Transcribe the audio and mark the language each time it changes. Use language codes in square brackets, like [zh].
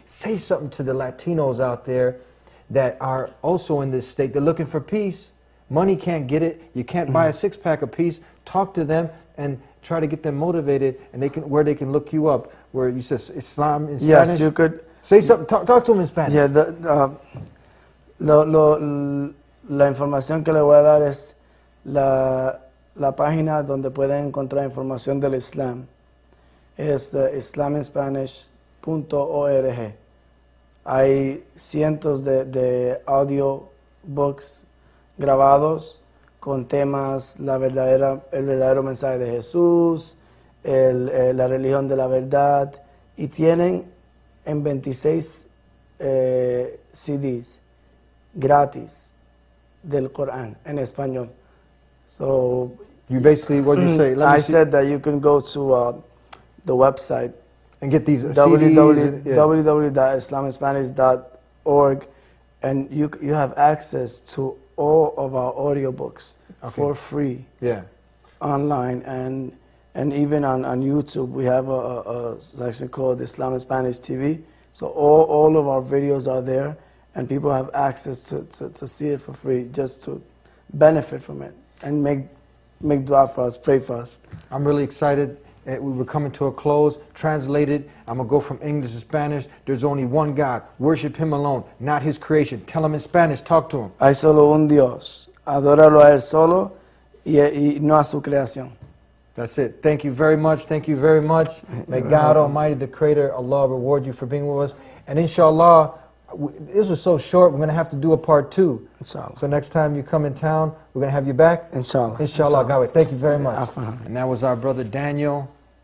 [en] Say something to the Latinos out there that are also in this state. They're looking for peace. Money can't get it. You can't buy a six-pack of peace. Talk to them and try to get them motivated, and they can look you up, where you say Islam in Spanish. Yes, you could. Say something, talk to them in Spanish. Yeah, [es] La información que le voy a dar es la página donde pueden encontrar información del Islam. Es islaminspanish.org. Hay cientos de audio books grabados con temas, el verdadero mensaje de Jesús, la religión de la verdad, y tienen en 26 CDs gratis del Corán en español. [en] So you basically, what you say? Let me see. Said that you can go to the website and get these www.islaminspanish.org, and you have access to all of our audiobooks. Okay. For free. Yeah. Online and even on YouTube, we have a section called Islam in Spanish TV. So all of our videos are there, and people have access to see it for free, just to benefit from it and make dua for us, pray for us. I'm really excited. We were coming to a close. Translated, I'm going to go from English to Spanish. There's only one God. Worship Him alone, not His creation. Tell Him in Spanish. Talk to Him. [es] Hay solo un Dios. Adóralo a Él solo y no a su creación. [en] That's it. Thank you very much. Thank you very much. May God Almighty, the Creator, Allah, reward you for being with us. And inshallah, this was so short, we're going to have to do a part two. Inshallah. So next time you come in town, we're going to have you back. Inshallah. Inshallah. Inshallah. Thank you very much. And that was our brother Daniel.